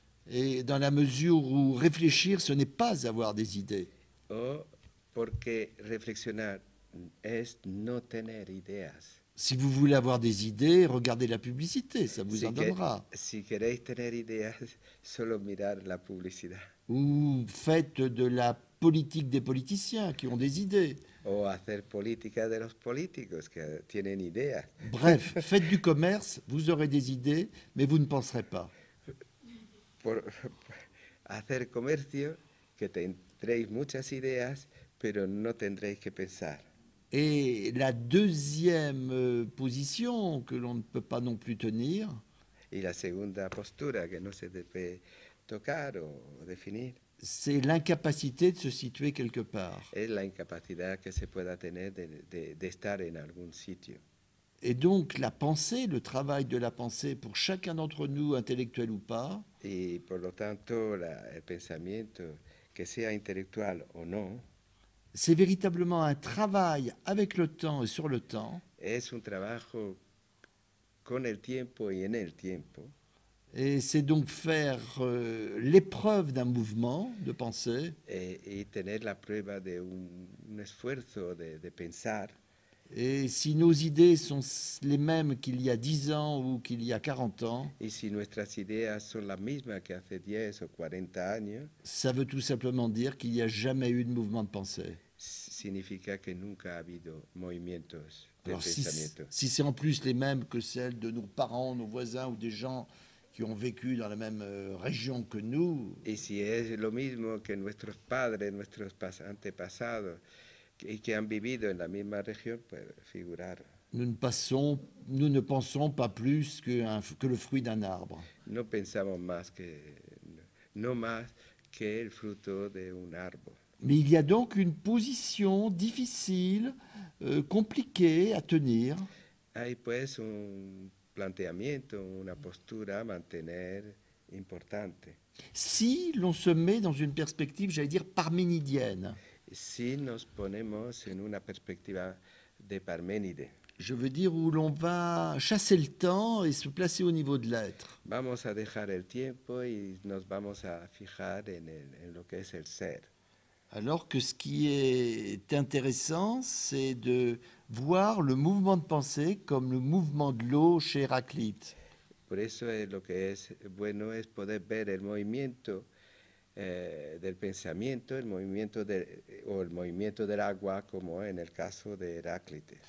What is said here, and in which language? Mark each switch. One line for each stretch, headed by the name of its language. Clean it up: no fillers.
French: Et dans la mesure où réfléchir, ce n'est pas avoir des idées.
Spanish: Oh, porque reflexionar es no tener ideas.
French: Si vous voulez avoir des idées, regardez la publicité, ça vous en donnera.
Spanish: Si queréis tener ideas, solo mirar la publicidad.
French: Ou faites de la politique des politiciens qui ont des idées.
Spanish: O hacer política de los políticos que tienen ideas.
French: Bref, faites du commerce, vous aurez des idées, mais vous ne penserez pas.
Spanish: Por hacer comercio, que tendréis muchas ideas, pero no tendréis que pensar.
French: Et la deuxième position que l'on ne peut pas non plus tenir.
Spanish: Y la segunda postura que no se debe tocar o definir.
French: C'est l'incapacité de se situer quelque part.
Spanish: Es la incapacidad que se pueda tener de estar en algún sitio.
French: Et donc la pensée, le travail de la pensée pour chacun d'entre nous, intellectuel ou pas.
Spanish: Y por lo tanto la, el pensamiento, que sea intelectual o no.
French: C'est véritablement un travail avec le temps et sur le temps.
Spanish: Es un trabajo con el tiempo y en el tiempo.
French: Et c'est donc faire l'épreuve d'un mouvement de pensée.
Spanish: Y tener la prueba de un esfuerzo de pensar.
French: Et si nos idées sont les mêmes qu'il y a 10 ans ou qu'il y a 40 ans.
Spanish: Y si nuestras ideas son las mismas que hace 10 o 40 años.
French: Ça veut tout simplement dire qu'il n'y a jamais eu de mouvement de pensée.
Spanish: Significa que nunca ha habido movimientos de pensamiento.
French: Si c'est en plus les mêmes que celles de nos parents, nos voisins ou des gens qui ont vécu dans la même région que nous.
Spanish: Y si es lo mismo que nuestros padres, nuestros antepasados.
French: Et qui ont vécu dans la même région, peut figurer. Nous ne pensons pas plus que le fruit d'un arbre. Nous pensons pas que, non plus que le fruit d'un arbre. Mais il y a donc une position difficile, compliquée à tenir.
Spanish: Hay pues un planteamiento, una postura à mantener importante.
French: Si l'on se met dans une perspective, j'allais dire parménidienne.
Spanish: Si nos ponemos en una perspectiva de Parménide.
French: Je veux dire où l'on va chasser le temps et se placer au niveau de l'être.
Spanish: Vamos a dejar el tiempo y nos vamos a fijar en lo que es el ser.
French: Alors que ce qui est intéressant, c'est de voir le mouvement de pensée comme le mouvement de l'eau chez Héraclite.
Spanish: Por eso es lo que es bueno es poder ver el movimiento del pensamiento, el movimiento de, o el movimiento del agua, como en el caso de Heráclito.